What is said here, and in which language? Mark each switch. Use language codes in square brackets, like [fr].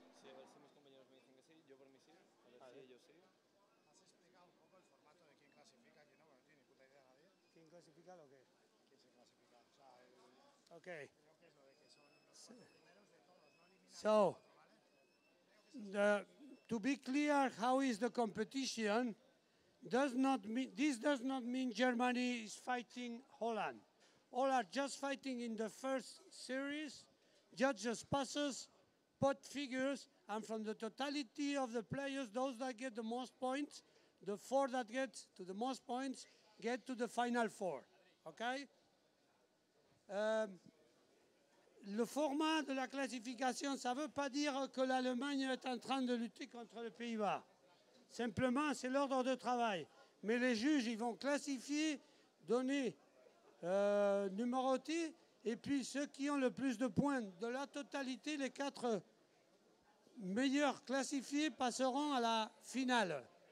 [es] Sí, a ver si mis compañeros me dicen que sí, yo por mí sí, a ver si ellos sí. ¿Has explicado un poco el formato de quién clasifica y quién no? Bueno, no tiene ni puta idea nadie. ¿Quién clasifica lo qué? ¿Quién se clasifica? O sea, el... Ok. Creo que es lo de que son los primeros de todos, no eliminados. [en] So. The, to be clear, how is the competition? Does not mean, this does not mean Germany is fighting Holland. All are just fighting in the first series. Judges passes, pot figures, and from the totality of the players, those that get the most points, the four that get to the most points, get to the final four. Okay. [fr] Le format de la classification, ça ne veut pas dire que l'Allemagne est en train de lutter contre les Pays-Bas. Simplement, c'est l'ordre de travail. Mais les juges, ils vont classifier, donner, numéroter, et puis ceux qui ont le plus de points de la totalité, les quatre meilleurs classifiés, passeront à la finale.